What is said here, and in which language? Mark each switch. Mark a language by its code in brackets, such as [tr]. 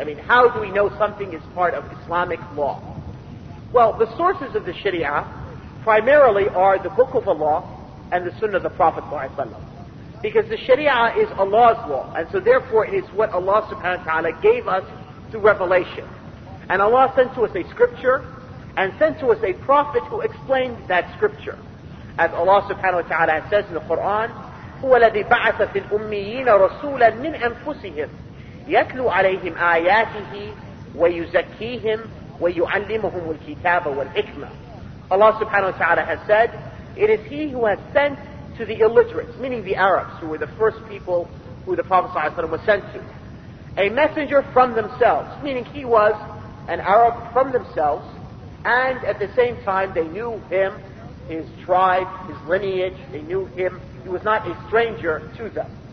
[en] I mean, how do we know something is part of Islamic law? Well, the sources of the Sharia primarily are the Book of Allah and the Sunnah of the Prophet ﷺ. Because the Sharia is Allah's law, and so therefore it is what Allah subhanahu wa ta'ala gave us through revelation. And Allah sent to us a scripture, and sent to us a prophet who explained that scripture. As Allah subhanahu wa ta'ala says in the Quran, [ar] هُوَ الَّذِي بَعَثَ فِي الْأُمِّيِّينَ رَسُولًا مِنْ أَنفُسِهِمْ يَتْلُوا عَلَيْهِمْ آيَاتِهِ وَيُزَكِّيهِمْ وَيُعَلِّمُهُمُ الْكِتَابَ وَالْحِكْمَةِ. [en] Allah subhanahu wa ta'ala has said, it is He who has sent to the illiterates, meaning the Arabs, who were the first people who the Prophet sallallahu alayhi wa sallam was sent to, a messenger from themselves, meaning he was an Arab from themselves, and at the same time they knew him, his tribe, his lineage, they knew him, he was not a stranger to them.